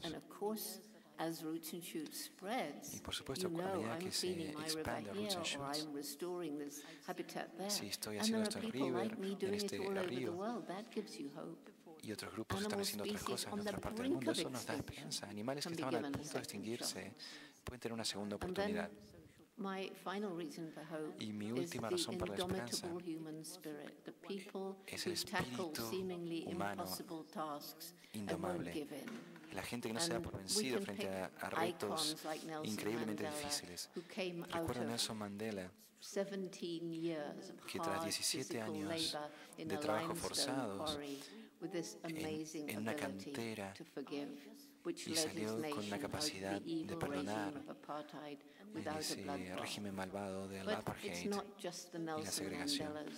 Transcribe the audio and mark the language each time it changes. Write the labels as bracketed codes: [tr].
[es] Y por supuesto, a medida que se expande Roots and Shoots, si estoy haciendo esto en River, en este río, y otros grupos están haciendo otras cosas en otras partes del mundo, eso nos da esperanza. Animales que estaban al punto de extinguirse pueden tener una segunda oportunidad. [en] My final reason for hope is the indomitable human spirit, the people who tackle seemingly impossible tasks and won't give in. [es] La gente que no se da por vencido frente a retos increíblemente difíciles. Recuerdo a Nelson Mandela, que tras 17 años de trabajo forzado en una cantera, y salió con la capacidad de perdonar en ese régimen malvado de la apartheid y la segregación.